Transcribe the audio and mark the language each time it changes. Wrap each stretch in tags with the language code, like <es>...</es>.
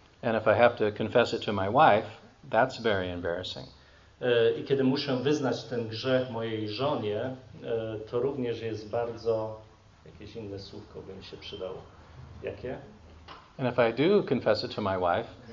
<en>And if I have to confess it to my wife, that's very embarrassing.</en> <pl>I kiedy muszę wyznać ten grzech mojej żonie, to również jest bardzo... Jakieś inne słówko by mi się przydało. Jakie?</pl> <en>And if I do confess it to my wife...</en>